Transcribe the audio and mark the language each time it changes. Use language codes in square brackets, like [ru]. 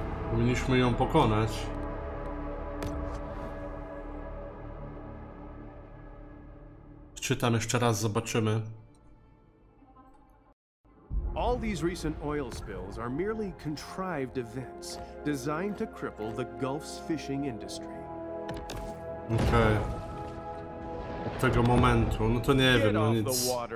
[pl] Powinniśmy ją pokonać. Czytam jeszcze raz, zobaczymy. [en] All these recent oil spills are merely contrived events designed to cripple the Gulf's fishing industry. Okay. [pl] Od tego momentu, no to nie wiem, no nic.